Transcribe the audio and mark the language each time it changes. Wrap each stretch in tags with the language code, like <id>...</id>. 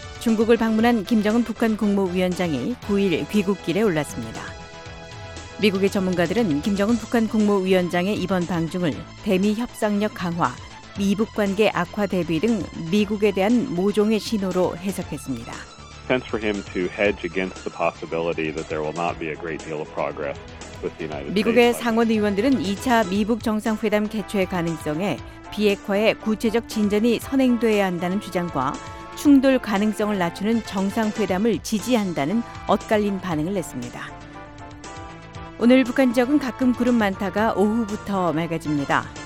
<ko>중국을 방문한 김정은 북한 국무위원장이 9일 귀국길에 올랐습니다. 미국의 전문가들은 김정은 북한 국무위원장의 이번 방중을 대미 협상력 강화, 미북 관계 악화 대비 등 미국에 대한 모종의 신호로 해석했습니다.</ko> <en>Sense for him to hedge against the possibility that there will not be a great deal of progress with the United States.</en> <ko>미국의 상원 의원들은 2차 미북 정상회담 개최 가능성에 비핵화에 구체적 진전이 선행돼야 한다는 주장과 충돌 가능성을 낮추는 정상회담을 지지한다는 엇갈린 반응을 냈습니다. 오늘 북한 지역은 가끔 구름 많다가 오후부터 맑아집니다.</ko>